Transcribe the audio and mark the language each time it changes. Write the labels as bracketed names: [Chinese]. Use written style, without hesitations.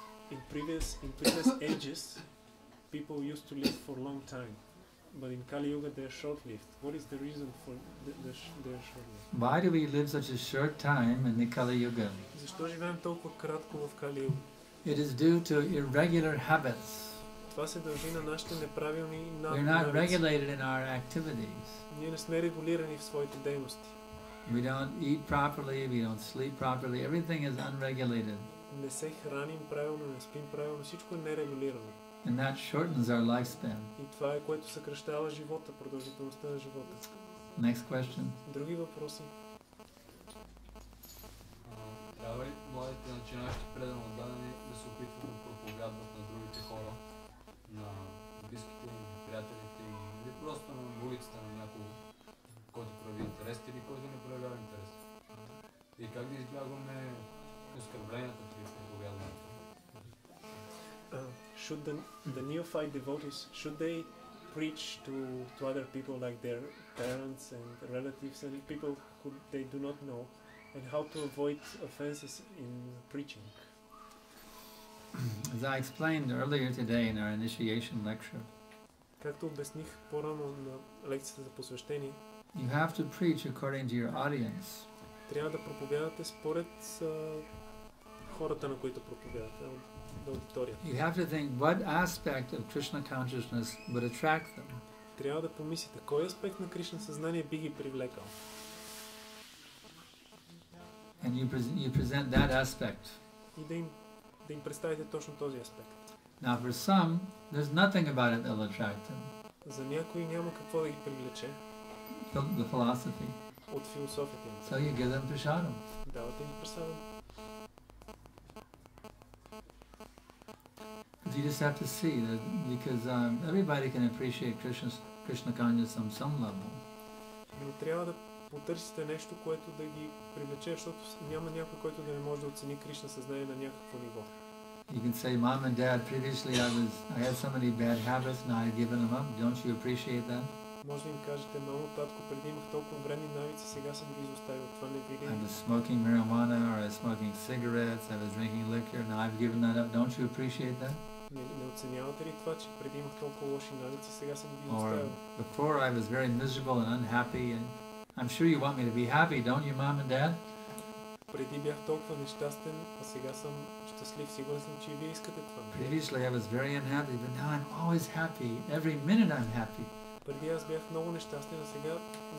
[English] In previous ages, people used to live for a long time, but in Kali Yuga they are short-lived. What is the reason for their short-lived? Why do we live such a short time in the Kali Yuga? [Bulgarian] Защо живеем толкова кратко в Кали Юга? [English] It is due to irregular habits. [Bulgarian] това се дължи на нашите неправилни навици. [English] We're not regulated in our activities. [Bulgarian] Ние не сме регулирани в своите дейности. [English] We don't eat properly, we don't sleep properly. Everything is unregulated. [Bulgarian] Не се храним правилно, не спим правилно, всичко е нерегулирано. [English] And that shortens our lifespan. [Bulgarian] И това е което съкращава живота, продължителността на живота. [English] Next question. [Bulgarian] Други въпроси. Трябва ли младите начинащи предано отдадени да се опитват да проповядват на другите хора, на близките им, приятелите им, или просто на улицата на някого, който прояви интерес или който не проявява интерес? И как да избягваме оскърбленията при проповядването? [English] Should the neophyte devotees, should they preach to other people like their parents and relatives and people who they do not know, and how to avoid offenses in preaching? As I explained earlier today in our initiation lecture, [Bulgarian] както обясних по-рано на лекцията за посвещение, [English] you have to preach according to your audience. [Bulgarian] Трябва да проповядате според хората, на които проповядвате. [English] You have to think what aspect of Krishna consciousness would attract them. [Bulgarian] Трябва да помислите кой аспект на Кришна съзнание би ги привлекал. [English] And you present that aspect. [Bulgarian] И да им представите точно този аспект. [English] Now for some, there's nothing about it that'll attract them. [Bulgarian] За някои няма какво да ги привлече. [English] The philosophy. [Bulgarian] От философията. [English] So you give them prasadam. [Bulgarian] Давате им прасадам. [English] You just have to see that because everybody can appreciate Krishna consciousness on some level. [Bulgarian] Но трябва да потърсите нещо, което да ги привлече, защото няма някой, който да не може да оцени Кришна съзнание на някакво ниво. [English] You can say, Mom and Dad, previously I had so many bad habits, now I've given them up. Don't you appreciate that? [Bulgarian] Може да им кажете, мамо, татко, преди имах толкова вредни навици, сега съм ги изоставил. Това не би ли? [English] I was smoking marijuana, or I was smoking cigarettes, I was drinking liquor, now I've given that up. Don't you appreciate that? [Bulgarian] Не оценявате ли това, че преди имах толкова лоши навици, сега съм ги изоставил? [English] Before I was very miserable and unhappy, and I'm sure you want me to be happy, don't you, Mom and Dad? [Bulgarian] Преди бях толкова нещастен, а сега съм щастлив, сигурен съм, че и вие искате това. [English] Previously I was very unhappy, but now I'm always happy. Every minute I'm happy. [Bulgarian] Преди аз бях много нещастен, а сега...